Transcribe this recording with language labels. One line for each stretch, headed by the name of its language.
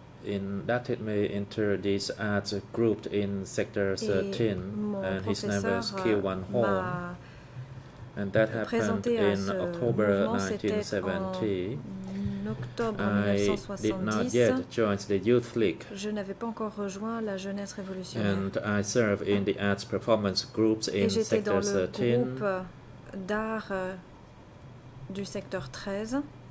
English: it may enter these ads grouped in sector 13, and his name is Kim Won Hong. And that happened in October 1970. I did not yet join the Youth League.
French: Je n'avais pas encore rejoint la jeunesse révolutionnaire.
English: And I serve in the arts performance groups in sector 13.
French: Et j'étais dans le groupe d'art du secteur 13.